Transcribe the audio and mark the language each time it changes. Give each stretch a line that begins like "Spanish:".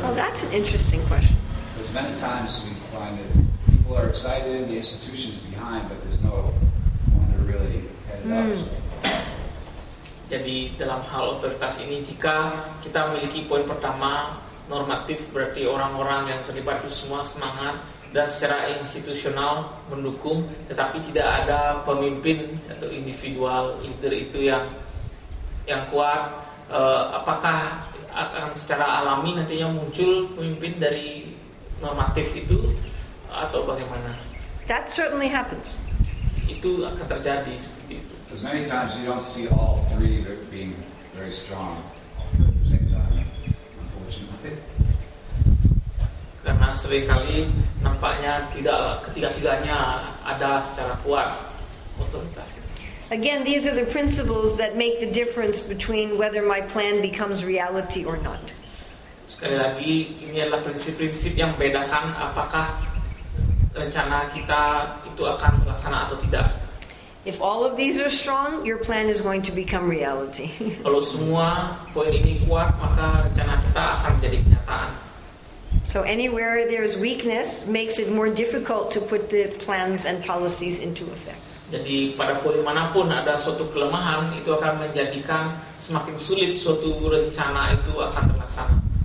English: Well, that's an interesting question. Because many times we find that people are excited, the institution is behind, but there's no one to really head it up.
Indonesian: Jadi dalam hal otoritas ini, jika kita memiliki poin pertama, normatif, berarti orang-orang yang terlibat itu semua semangat dan secara institusional mendukung, tetapi tidak ada pemimpin atau individual leader itu yang kuat, apakah akan secara alami nantinya muncul pemimpin dari normatif itu atau bagaimana?
English: That certainly happens.
Indonesian: Itu akan terjadi seperti itu.
English: As many times you don't see all three being very strong at the same time, unfortunately.
Indonesian: Karena seringkali nampaknya tidak ketiga-tiganya ada secara kuat otoritas.
English: Again, these are the principles that make the difference between whether my plan becomes reality or not.
Indonesian: Sekali lagi, ini adalah prinsip-prinsip yang membedakan apakah rencana kita itu akan terlaksana atau tidak.
English: If all of these are strong, your plan is going to become reality.
Indonesian: Kalau semua poin ini kuat, maka rencana kita akan menjadi kenyataan.
English: So anywhere there is weakness makes it more difficult to put the plans and policies into effect.
Indonesian: Jadi pada poin manapun ada suatu kelemahan, itu akan menjadikan semakin sulit suatu rencana itu akan terlaksana.